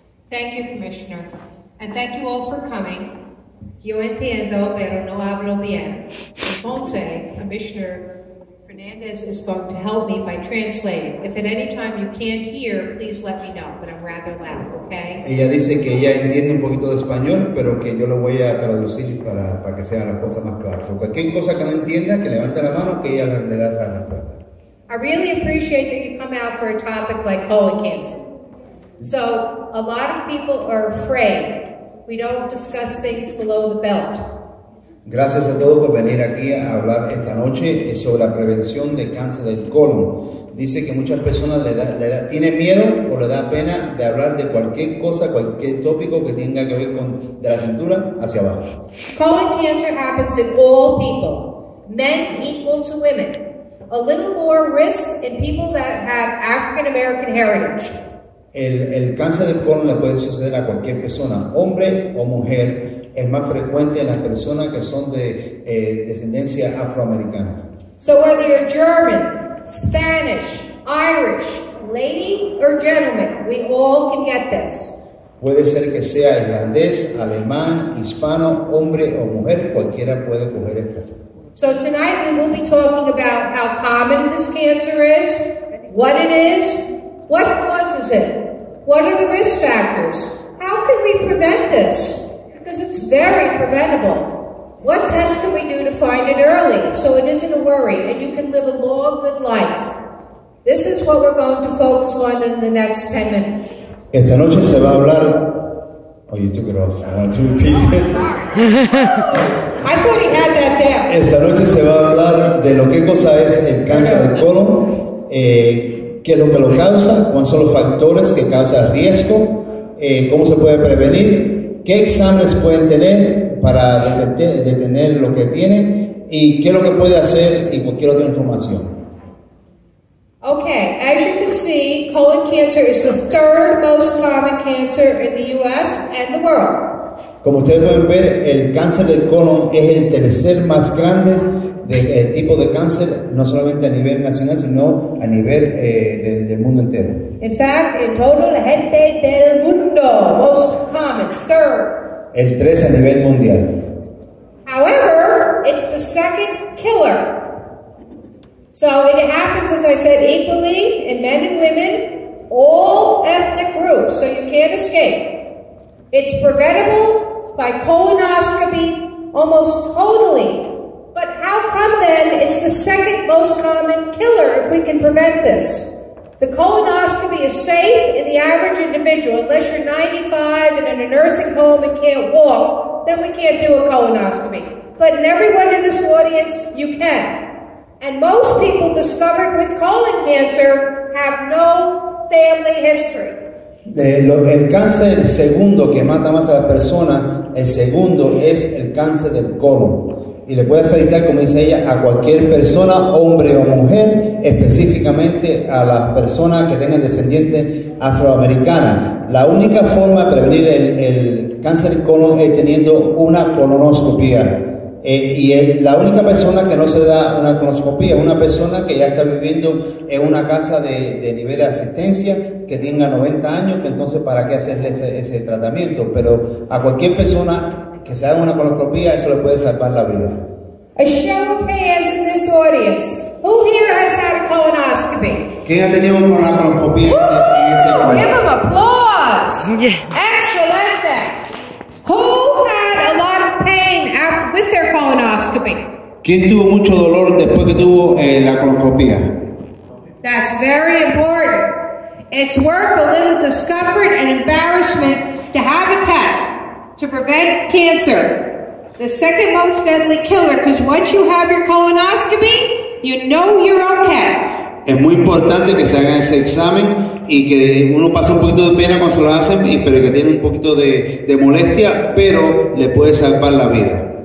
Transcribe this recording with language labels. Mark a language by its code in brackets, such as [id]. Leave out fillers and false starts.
[en] Thank you, Commissioner, and thank you all for coming. [es] Yo entiendo, pero no hablo bien. [en] Entonces, Commissioner Fernandez is going to help me by translating. If at any time you can't hear, please let me know, but I'm rather loud, okay? [es] Ella dice que ella entiende un poquito de español, pero que yo lo voy a traducir para que sea la cosa más clara. Cualquier cosa que no entienda, que levante la mano, que ella le da la respuesta. [en] I really appreciate that you come out for a topic like colon cancer. So, a lot of people are afraid. We don't discuss things below the belt. [es] Gracias a todos por venir aquí a hablar esta noche sobre la prevención del cáncer del colon. Dice que muchas personas tienen miedo o le da pena de hablar de cualquier cosa, cualquier tópico que tenga que ver con de la cintura hacia abajo. [en] Colon cancer happens in all people. Men equal to women. A little more risk in people that have African American heritage. [es] El cáncer de colon le puede suceder a cualquier persona, hombre o mujer. Es más frecuente en las personas que son de descendencia afroamericana. [en] So whether you're German, Spanish, Irish, lady or gentleman, we all can get this. [es] Puede ser que sea irlandés, alemán, hispano, hombre o mujer, cualquiera puede coger esta. [en] So tonight we will be talking about how common this cancer is, what it is, what causes it. What are the risk factors? How can we prevent this? Because it's very preventable. What tests can we do to find it early so it isn't a worry and you can live a long, good life? This is what we're going to focus on in the next 10 minutes. [es] Esta noche se va a hablar... [en] Oh, you took it off. I want to repeat. I thought he had that down. [es] Esta noche se va a hablar de lo que cosa es el cáncer de colon. ¿Qué es lo que lo causa? ¿Cuáles son los factores que causan riesgo? ¿Cómo se puede prevenir? ¿Qué exámenes pueden tener para detener lo que tiene? ¿Y qué es lo que puede hacer? Y cualquier otra información. [en] Okay, as you can see, colon cancer is the third most common cancer in the U.S. and the world. [es] Como ustedes pueden ver, el cáncer del colon es el tercer más grande tipo de cáncer, no solamente a nivel nacional, sino a nivel del mundo entero. [en] In fact, in total, [es] la gente del mundo, [en] most common, third. [es] El tres a nivel mundial. [en] However, it's the second killer. So it happens, as I said, equally in men and women, all ethnic groups, so you can't escape. It's preventable by colonoscopy almost totally. But how come then it's the second most common killer if we can prevent this? The colonoscopy is safe in the average individual. Unless you're 95 and in a nursing home and can't walk, then we can't do a colonoscopy. But in everyone in this audience, you can. And most people discovered with colon cancer have no family history. [es] El cáncer segundo que mata más a la persona, el segundo es el cáncer del colon. Y le puede afectar, como dice ella, a cualquier persona, hombre o mujer, específicamente a las personas que tengan descendientes afroamericanas. La única forma de prevenir el cáncer de colon es teniendo una colonoscopia. Y la única persona que no se da una colonoscopia es una persona que ya está viviendo en una casa de nivel de asistencia, que tenga 90 años, que entonces para qué hacerle ese tratamiento. Pero a cualquier persona que se haga una colonoscopia, eso le puede salvar la vida. [en] A show of hands in this audience. Who here has had a colonoscopy? [es] ¿Quién ha tenido una colonoscopia? [en] Give them applause. Yeah. Excelente. Who had a lot of pain with their [es] ¿Quién tuvo mucho dolor después que tuvo la colonoscopia? [en] That's very important. It's worth a little discomfort and embarrassment to have a test to prevent cancer. The second most deadly killer, because once you have your colonoscopy, you know you're okay. [es] Es muy importante que se hagan ese examen y que uno pase un poquito de pena cuando se lo hacen, pero que tiene un poquito de molestia, pero le puede salvar la vida.